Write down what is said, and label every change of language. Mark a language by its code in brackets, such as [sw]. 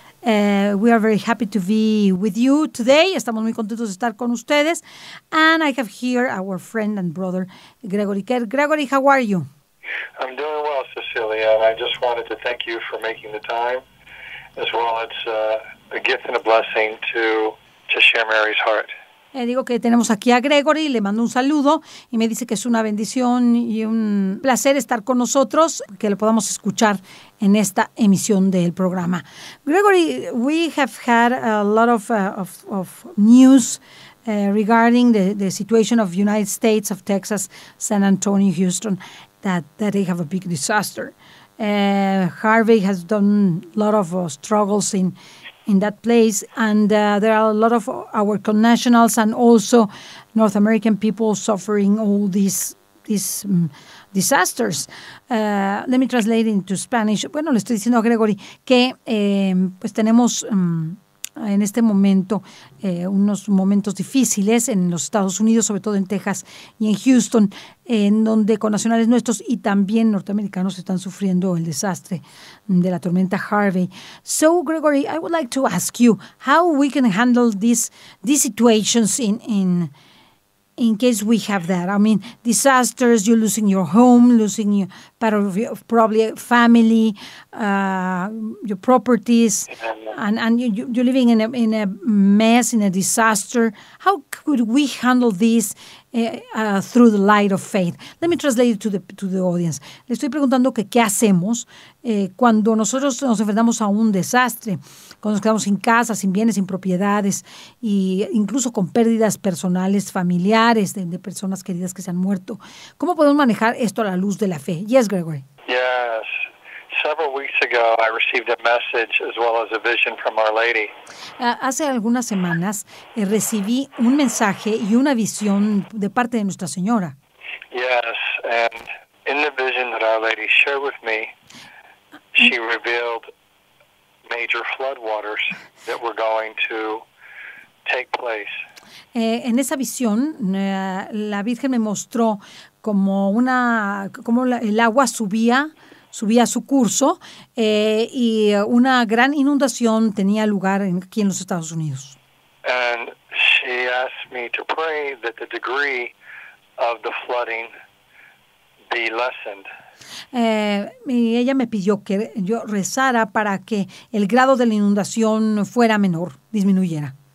[en] We are very happy to be with you today. [es] Estamos muy contentos de estar con ustedes. [en] And I have here our friend and brother, Gregory Kerr. Gregory, how are you? I'm doing well, Cecilia. And I just wanted to thank you for making the time as well. It's a gift and a blessing to share Mary's Heart. [es] Digo que tenemos aquí a Gregory, le mando un saludo y me dice que es una bendición y un placer estar con nosotros, que lo podamos escuchar en esta emisión del programa. [en] Gregory, we have had a lot of news regarding the situation of United States, of Texas, San Antonio, Houston, that they have a big disaster. Harvey has done a lot of struggles in that place, and there are a lot of our connationals and also North American people suffering all these disasters. Let me translate into Spanish. [es] Bueno, le estoy diciendo a Gregory que pues tenemos en este momento unos momentos difíciles en los Estados Unidos, sobre todo en Texas y en Houston, en donde connacionales nuestros y también norteamericanos están sufriendo el desastre de la tormenta Harvey. [en] So, Gregory, I would like to ask you how we can handle these situations in case we have that. I mean, disasters, you're losing your home, losing your part of your probably family, your properties, and you're living in a mess, in a disaster. How could we handle this through the light of faith? Let me translate it to the audience. [es] Le estoy preguntando que qué hacemos cuando nosotros nos enfrentamos a un desastre, cuando nos quedamos sin casa, sin bienes, sin propiedades, e incluso con pérdidas personales, familiares, de personas queridas que se han muerto. ¿Cómo podemos manejar esto a la luz de la fe? [en] Yes, Gregory. Yes. Several weeks ago, I received a message as well as a vision from Our Lady. [es] Hace algunas semanas recibí un mensaje y una visión de parte de Nuestra Señora. [en] Yes, and in the vision that Our Lady shared with me, she revealed major floodwaters that were going to take place. [es] En esa visión, la Virgen me mostró como el agua subía su curso y una gran inundación tenía lugar aquí en los Estados Unidos. [en] And she asked me to pray that the degree of the flooding be lessened. [es] Ella me pidió que yo rezara para que el grado de la inundación fuera menor, disminuyera.